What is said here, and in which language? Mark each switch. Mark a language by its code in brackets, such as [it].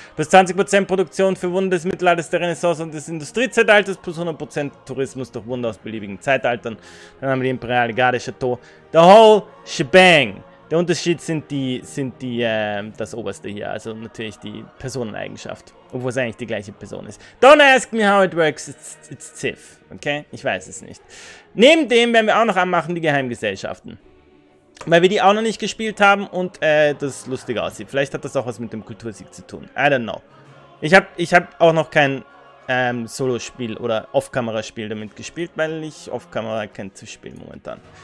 [de] Plus 20% Produktion für Wunder des Mittelalters, der Renaissance und des Industriezeitalters, plus 100% Tourismus durch Wunder aus beliebigen Zeitaltern. Dann haben wir die Imperiale Garde, Chateau. [en] The whole shebang. [de] Der Unterschied sind die das oberste hier, also natürlich die Personeneigenschaft. Obwohl es eigentlich die gleiche Person ist. [en] Don't ask me how it works, it's Civ, okay? [de] Ich weiß es nicht. Neben dem werden wir auch noch anmachen, die Geheimgesellschaften. Weil wir die auch noch nicht gespielt haben und das lustig aussieht. Vielleicht hat das auch was mit dem Kultursieg zu tun. [en] I don't know. [de] Ich hab auch noch kein Solo-Spiel oder Off-Kamera-Spiel damit gespielt, weil ich Off-Kamera kein Ziv spiele momentan.